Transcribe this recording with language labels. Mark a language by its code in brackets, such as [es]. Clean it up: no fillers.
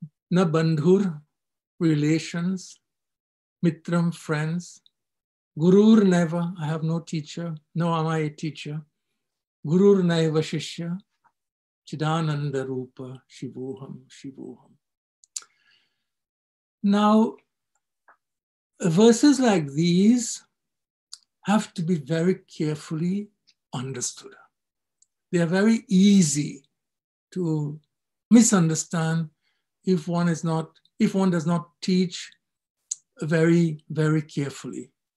[sa] Na bandhur, relations, mitram, friends. Gurur naiva, [en] I have no teacher, nor am I a teacher. [sa] Gurur naiva shishya chidananda rupa shivoham shivoham. [en] Now, verses like these have to be very carefully understood. They are very easy to misunderstand if one does not teach very, very carefully.